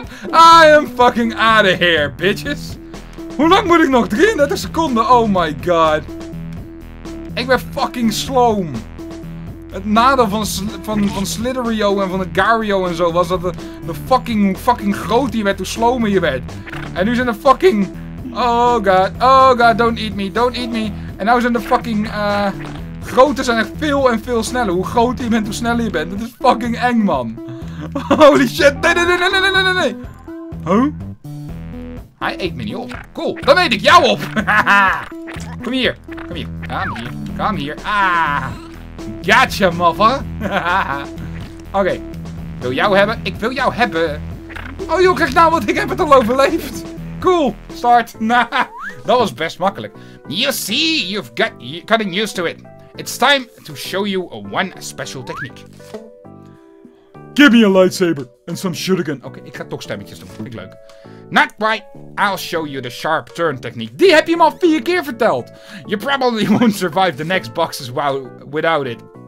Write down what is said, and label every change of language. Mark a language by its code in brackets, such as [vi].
[en] I am fucking out of here, bitches. [nl] Hoe lang moet ik nog? 33 seconden, [en] oh my god. [nl] Ik ben fucking sloom. Het nadeel van Slitherio en van het Gario en zo was dat de fucking groot die werd, hoe slomer je werd. En nu zijn er fucking... [en] oh god, don't eat me, don't eat me. [nl] En nou zijn de fucking, grote zijn echt veel en veel sneller. Hoe groter je bent, hoe sneller je bent. Dat is fucking eng, man. [en] Holy shit, [nl] nee. Huh? Hij eet me niet op. Cool, dan eet ik jou op. Kom hier. Kom hier. Ah. [en] Gotcha, mother. [nl] Oké. Wil jou hebben? Ik wil jou hebben. Oh joh, kijk nou, want ik heb het al overleefd. [en] Cool, start. [nl] Dat was best makkelijk. [en] You see, you're getting used to it. It's time to show you one special technique. Give me a lightsaber and some shuriken. Okay, [nl] ik ga toch stemmetjes doen. Vind ik leuk. [en] Not quite. I'll show you the sharp turn technique. [nl] Die heb je hem al 4 keer verteld. [en] You probably won't survive the next boxes without it.